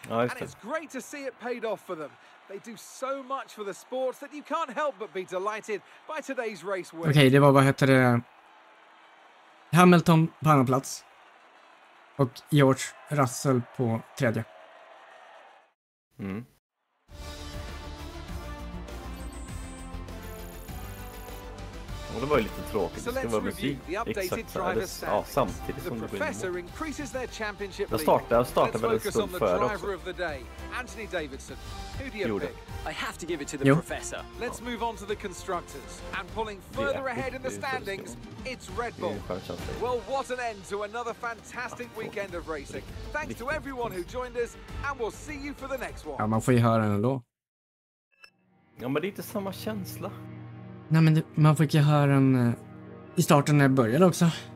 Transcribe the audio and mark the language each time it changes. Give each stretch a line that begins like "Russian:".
English: And it's great to see it paid off for them. They do so much for the sport that you can't help but be delighted by today's race win.
Swedish: Okej, det var, vad heter det? Hamilton på andra plats. Och George Russell på tredje. Mm. Och det var ju lite tråkigt. Det ska vara musik. Exakt. Ja, samtidigt som det blir en mål. Jag startade väldigt stund före också. Anthony Davidson.
English: I have to give it to the professor. Let's move on to the constructors. And pulling further ahead in the standings, it's Red Bull. Well, what an end to another fantastic weekend of racing. Thanks to everyone who joined us, and we'll see you for the next one.
Swedish: Ja, man får ju höra den ändå. Ja, men det är inte samma känsla. Nej, men man fick ju höra den i starten när jag började också.